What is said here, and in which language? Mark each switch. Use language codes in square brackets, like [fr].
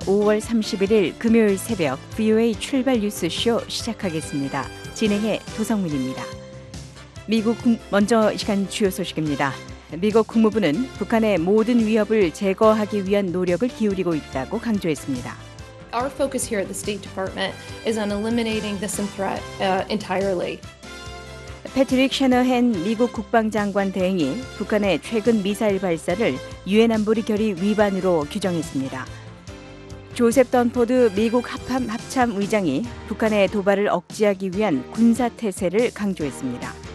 [ko] 5월 31일 금요일 새벽 VOA 출발 뉴스 쇼 시작하겠습니다. 진행해 도성민입니다. 먼저 시간 주요 소식입니다. 미국 국무부는 북한의 모든 위협을 제거하기 위한 노력을 기울이고 있다고 강조했습니다. [en] Our focus here at the State Department is on eliminating this threat entirely. [ko] 패트릭 셰너헨 미국 국방장관 대행이 북한의 최근 미사일 발사를 유엔 안보리 결의 위반으로 규정했습니다. 조셉 던포드 미국 합참 의장이 북한의 도발을 억제하기 위한 군사 태세를 강조했습니다.